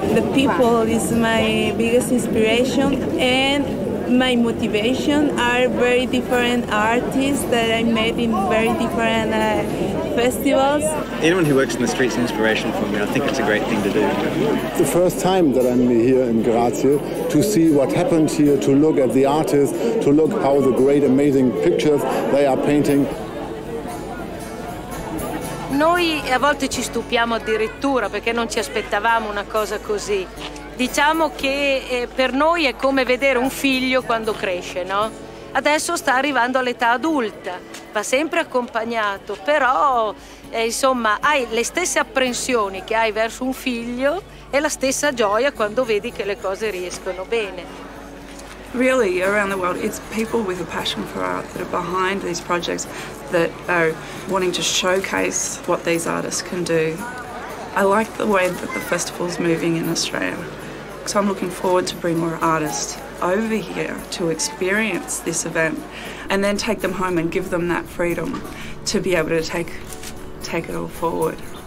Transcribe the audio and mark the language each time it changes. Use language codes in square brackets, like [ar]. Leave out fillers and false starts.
[en] The people is my biggest inspiration, and my motivation are very different artists that I met in very different festivals. Anyone who works in the streets is inspirational for me. I think it's a great thing to do. The first time that I'm here in Grazie, to see what happened here, to look at the artists, to look how the great, amazing pictures they are painting. [it] Noi a volte ci stupiamo addirittura perché non ci aspettavamo una cosa così. Diciamo che per noi è come vedere un figlio quando cresce, no? Adesso sta arrivando all'età adulta, va sempre accompagnato, però insomma hai le stesse apprensioni che hai verso un figlio e la stessa gioia quando vedi che le cose riescono bene. [en] Really, around the world, it's people with a passion for art that are behind these projects that are wanting to showcase what these artists can do. I like the way that the festival's moving in Australia. So I'm looking forward to bring more artists over here to experience this event and then take them home and give them that freedom to be able to take it all forward.